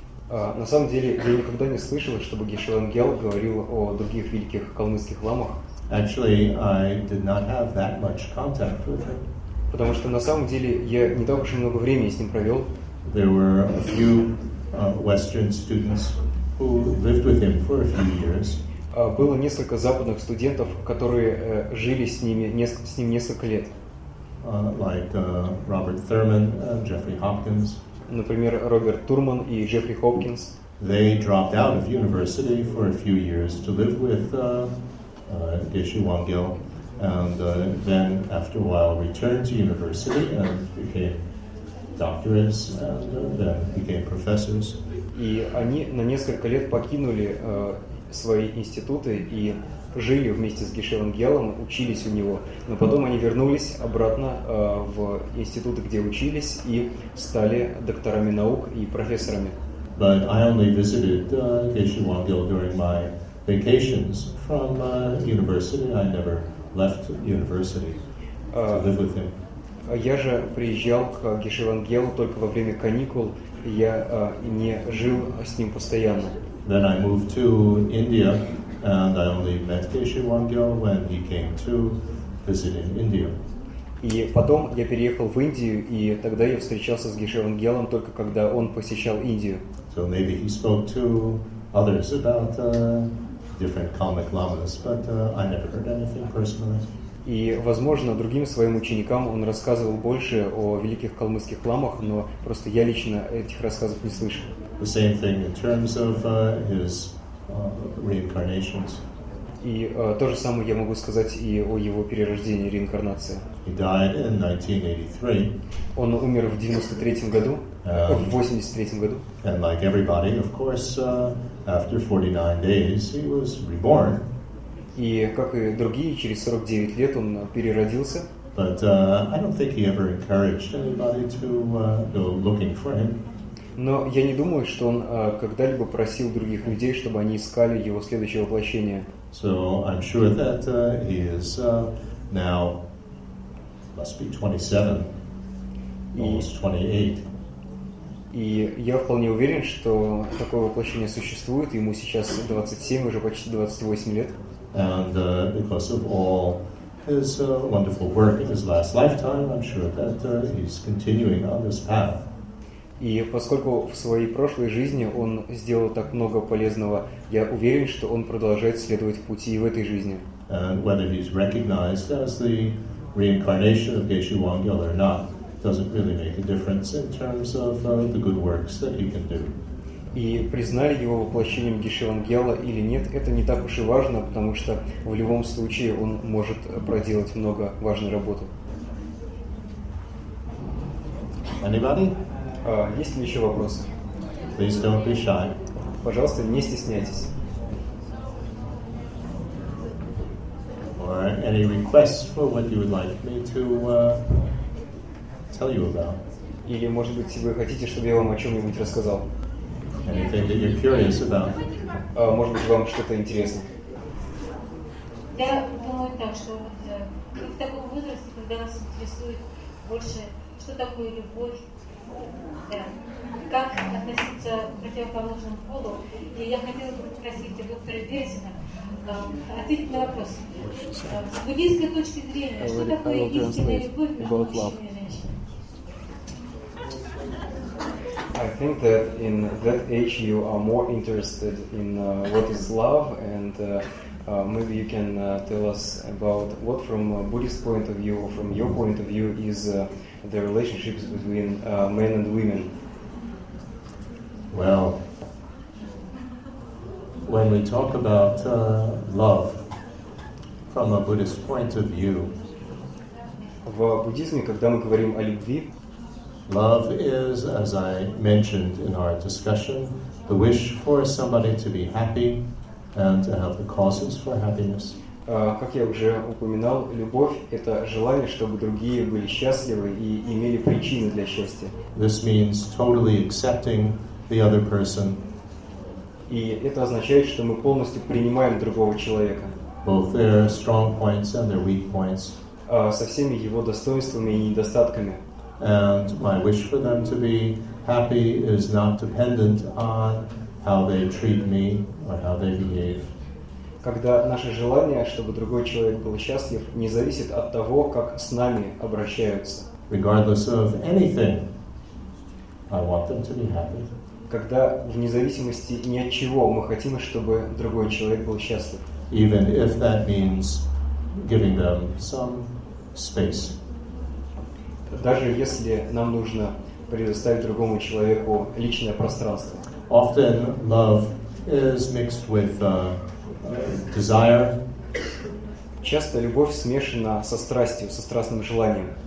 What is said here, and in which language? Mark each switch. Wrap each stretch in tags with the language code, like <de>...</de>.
<ru>На самом деле, я никогда не слышал, чтобы Гешевангел говорил о других великих калмыцких ламах.</ru> <en>Actually, I did not have that much contact with him.</en> <ru>Потому что на самом деле я не так уж и много времени с ним провел.</ru> <en>There were a few Western students who lived with him for a few years.</en> <ru>Было несколько западных студентов, которые жили с ним несколько лет.</ru> <en>Like Robert Thurman and Jeffrey Hopkins.</en> <ru>Например, Роберт Турман и Джеффри Хопкинс.</ru> <en>They dropped out of university for a few years to live with Gishuangil, and then after a while returned to university and became doctors and then became professors.</en> <ru>И они на несколько лет покинули свои институты и жили вместе с Гешевангелом, учились у него, но потом они вернулись обратно в институты, где учились, и стали докторами наук и профессорами.</ru> <en>But I only visited Gishuangil during my vacations from university. I never left university to live with him.</en> <ru>Я же приезжал к Гешевангелу только во время каникул. Я не жил с ним постоянно.</ru> <en>Then I moved to India. And I only met Gishuangil when he came to visit in India.</en> <ru>И потом я переехал в Индию, и тогда я встречался с Гешевангелом только когда он посещал Индию.</ru> <en>So maybe he spoke to others about different Kalmyk lamas, but I never heard anything personally.</en> <ru>И, возможно, другим своим ученикам он рассказывал больше о великих калмыцких ламах, но просто я лично этих рассказов не слышал.</ru> <en>The same thing in terms of his reincarnations.</en> <ru>И то же самое я могу сказать и о его перерождении, реинкарнации.</ru> <en>He died in 1983.</en> <ru>Он умер в 93-м году, в 83-м году.</ru> <en>And like everybody, of course, after 49 days, he was reborn.</en> <ru>И как и другие, через 49 лет он переродился.</ru> <en>But I don't think he ever encouraged anybody to go looking for him.</en> <ru>Но я не думаю, что он когда-либо просил других людей, чтобы они искали его следующее воплощение.</ru> <en>So I'm sure that he is now must be 27, almost 28.</en> <ru>И я вполне уверен, что такое воплощение существует. Ему сейчас 27, уже почти 28 лет.</ru> <en>And because of all his wonderful work in his last lifetime, I'm sure that he's continuing on this path.</en> <ru>И поскольку в своей прошлой жизни он сделал так много полезного, я уверен, что он продолжает следовать пути и в этой жизни.</ru> <en>And whether he's recognized as the reincarnation of Gishuangil or not doesn't really make a difference in terms of the good works that he can do.</en> <ru>И признали его воплощением Гешевангела или нет, это не так уж и важно, потому что в любом случае он может проделать много важной работы.</ru> <en>Anybody?</en> <ru>Есть ли еще вопросы?</ru> <en>Please don't be shy.</en> <ru>Пожалуйста, не стесняйтесь.</ru> <en>Or any requests for what you would like me to tell you about?</en> <ru>Или, может быть, вы хотите, чтобы я вам о чем-нибудь рассказал?</ru> <en>Anything that you're curious about?</en> <ru>Может быть, вам что-то интересно? Я думаю так, что вот вы в таком возрасте, когда вас интересует больше, что такое любовь, да, как относиться к противоположному полу. И я хотела бы спросить доктора Берзина, ответить на вопрос. С буддийской точки зрения, что такое истинная любовь между мужчиной и женщиной?</ru> <en>I think that in that age you are more interested in what is love, and maybe you can tell us about what, from a Buddhist point of view, or from your point of view, is the relationships between men and women. Well, when we talk about love from a Buddhist point of view,</en> <ru>в буддизме, когда мы говорим о любви,</ru> <en>love is, as I mentioned in our discussion, the wish for somebody to be happy and to have the causes for happiness.</en> <ru>Как я уже упоминал, любовь — это желание, чтобы другие были счастливы и имели причины для счастья.</ru> <en>This means totally accepting the other person.</en> <ru>И это означает, что мы полностью принимаем другого человека.</ru> <en>Both their strong points and their weak points.</en> <ru>Со всеми его достоинствами и недостатками.</ru> <en>And my wish for them to be happy is not dependent on how they treat me or how they behave.</en> <ru>Когда наше желание, чтобы другой человек был счастлив, не зависит от того, как с нами обращаются.</ru> <en>Regardless of anything, I want them to be happy.</en> <ru>Когда вне зависимости ни от чего мы хотим, чтобы другой человек был счастлив.</ru> <en>Even if that means giving them some space.</en> <ru>Даже если нам нужно предоставить другому человеку личное пространство.</ru> <en>Often love is mixed with desire.</en> <ru>Часто любовь смешана со страстью, со страстным желанием.</ru>